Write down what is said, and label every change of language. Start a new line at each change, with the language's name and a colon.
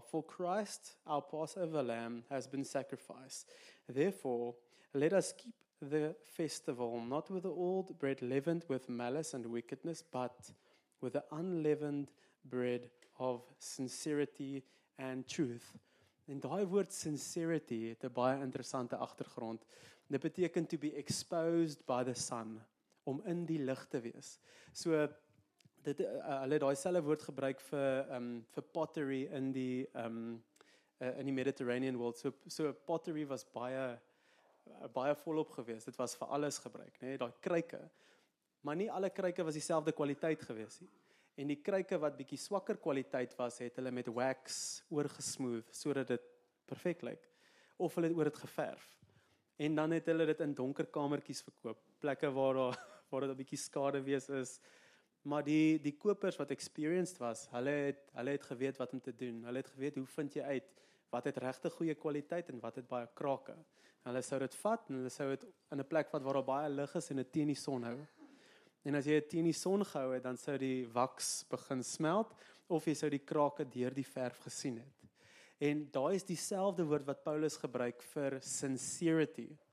English: For Christ, our Passover lamb, has been sacrificed. Therefore, let us keep the festival not with the old bread leavened with malice and wickedness, but with the unleavened bread of sincerity and truth.
Afrikaans: En daai woord sincerity het 'n baie interessante agtergrond. Dit beteken
English: to be exposed by the sun,
Afrikaans: om in die lig te wees. So dit hulle het daai selfe woord gebruik vir pottery in die Mediterranean world. So pottery was baie volop geweest. Dit was vir alles gebruik, né? Daai kruike. Maar nie alle kruike was dieselfde kwaliteit geweest nie. En die kruike wat bietjie swakker kwaliteit was, het hulle met wax oorgesmooth sodat dit perfek lyk. Of hulle het oor dit geverf. En dan het hulle dit in donker kamertjies verkoop, plekke waar dit 'n bietjie skade wees is. Maar die kopers wat experienced was, hulle het geweet wat om te doen. Hulle het geweet hoe vind jy uit wat het regte goeie kwaliteit en wat het baie krake. Hulle sou dit vat en hulle sou dit in 'n plek wat waar daar baie lig is en dit teen die son hou. En as jy dit teen die son gehou het, dan sou die waks begin smelt of jy sou die krake deur die verf gesien het. En daai is dieselfde woord wat Paulus gebruik vir sincerity.